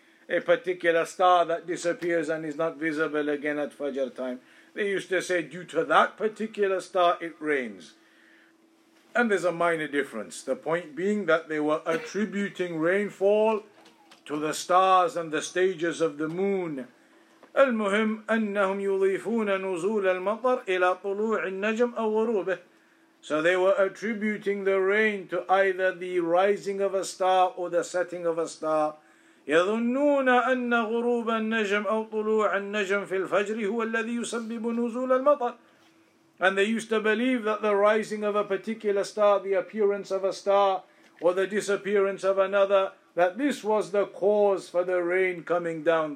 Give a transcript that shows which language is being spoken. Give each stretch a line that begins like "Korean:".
English: A particular star that disappears and is not visible again at Fajr time. They used to say due to that particular star it rains. And there's a minor difference. The point being that they were attributing rainfall to the stars and the stages of the moon.
Arabic: المهم أنهم يضيفون نزول المطر إلى طلوع النجم أو غروبه.
English: So they were attributing the rain to either the rising of a star or the setting of a star.
Arabic: يَظُنُّونَ أَنَّ غُرُوبَ النَّجْمِ أَوْ طُلُوعَ النَّجْمِ فِي الْفَجْرِ هُوَ الَّذِي يُسَبِّبُ نُزُولَ الْمَطَرِ.
English: And they used to believe that the rising of a particular star, the appearance of a star, or the disappearance of another, that this was the cause for the rain coming down.